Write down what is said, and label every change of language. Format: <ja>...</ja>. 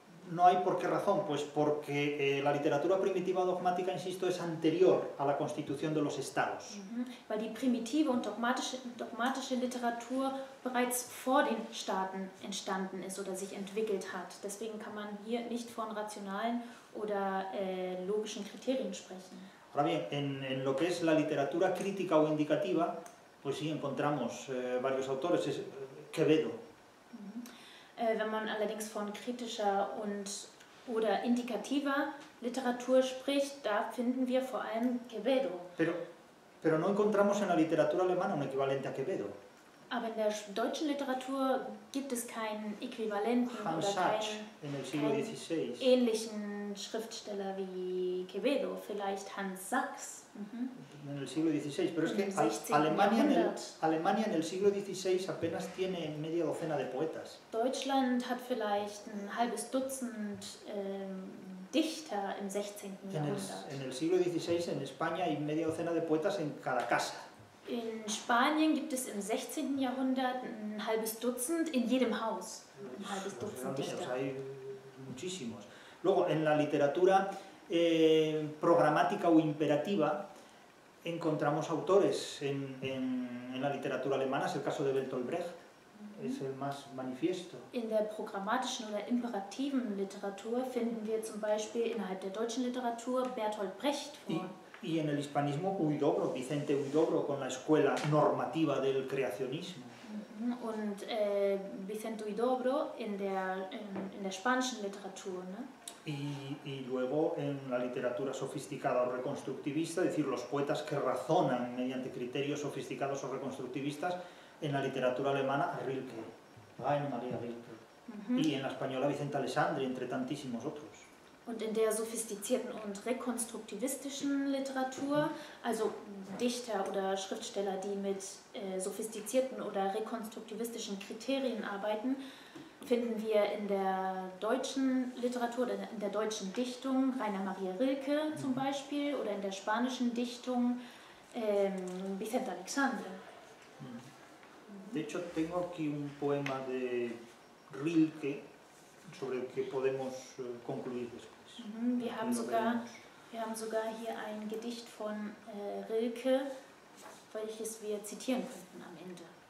<es>No hay por qué razón, pues porque la literatura primitiva dogmática, insisto, es anterior a la constitución de los estados.</es> <de>Weil die primitive und dogmatische Literatur bereits vor den Staaten entstanden ist oder sich entwickelt hat. Deswegen kann man hier nicht von rationalen oder logischen Kriterien sprechen.</de> <es>Ahora bien, en lo que es la literatura crítica o indicativa, pues sí, encontramos varios autores. Es Quevedo.</es> <de>Wenn man allerdings von kritischer und oder indikativer Literatur spricht, da finden wir vor allem Quevedo.</de> <es>Pero no encontramos en la literatura alemana un equivalente a Quevedo.</es> <de>Aber in der deutschen Literatur gibt es keinen Äquivalenten oder keinen ähnlichen Schriftsteller wie Quevedo, vielleicht Hans Sachs.</de> <es>En el siglo XVI, pero es que Alemania en el siglo XVI apenas tiene media docena de poetas.</es> <de>Deutschland hat vielleicht ein halbes Dutzend Dichter im 16. Jahrhundert.</de> <es>En el siglo XVI en España hay media docena de poetas en cada casa.</es> <de>In Spanien gibt es im 16. Jahrhundert ein halbes Dutzend in jedem Haus. Ein halbes Dutzend Dichter.</de> <es>Hay muchísimos. Luego, en la literatura programática o imperativa, encontramos autores en la literatura alemana, es el caso de Bertolt Brecht, es el más manifiesto.</es> <de>In der programmatischen oder imperativen Literatur finden wir zum Beispiel innerhalb der deutschen Literatur Bertolt Brecht vor.</de> <es>Y en el hispanismo, Huidobro, Vicente Huidobro, con la escuela normativa del creacionismo.</es> <de>Und Vicente Huidobro in der spanischen Literatur, ne?</de> <es>Y luego en la literatura sofisticada o reconstructivista, es decir, los poetas que razonan mediante criterios sofisticados o reconstructivistas, en la literatura alemana, Rilke, Rainer Maria Rilke, y en la española, Vicente Alessandri, entre tantísimos otros.</es> <de>Und in der sofistizierten und rekonstruktivistischen Literatur, also Dichter oder Schriftsteller, die mit sofistizierten oder rekonstruktivistischen Kriterien arbeiten, finden wir in der deutschen Literatur oder in der deutschen Dichtung Rainer Maria Rilke zum Beispiel oder in der spanischen Dichtung Vicente Aleixandre.</de> <es>De hecho, tengo aquí un poema de Rilke, sobre el que podemos concluir después.</es> <de>Wir haben sogar hier ein Gedicht von Rilke, welches wir zitieren könnten am Ende.</de>